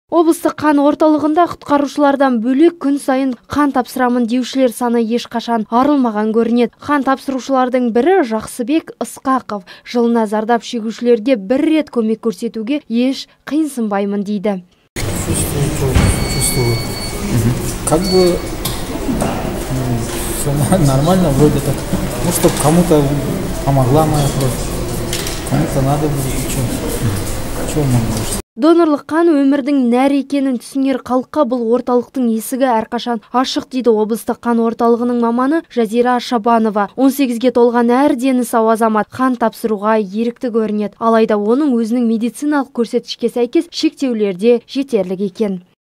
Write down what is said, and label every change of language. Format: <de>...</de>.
<kk>Облыстық қан орталығында құтқарушылардан бөлек күн сайын қан тапсырамын деушілер саны ешқашан арылмаған көрінеді. Қан тапсырушылардың бірі Жақсыбек Ысқақов. Жылына зардап шегушілерге бір рет көмек көрсетуге еш қиынсынбаймын дейді.</kk> <ru>Как бы все нормально вроде так. Ну чтоб кому-то помогла моя кровь. Кому-то надо будет. Чего мы можем?</ru> <kk>Донорлық қан өмірдің нәрі екенін түсінер халыққа бұл орталықтың есігі әрқашан ашық дейді облыстық қан орталығының маманы Жазира Шабанова. 18-ге толған әр дені сау азамат қан тапсыруға ерікті көрінеді. Алайда оның өзінің медициналық көрсеткішке сәйкес шектеулерде жетерлік екен.</kk>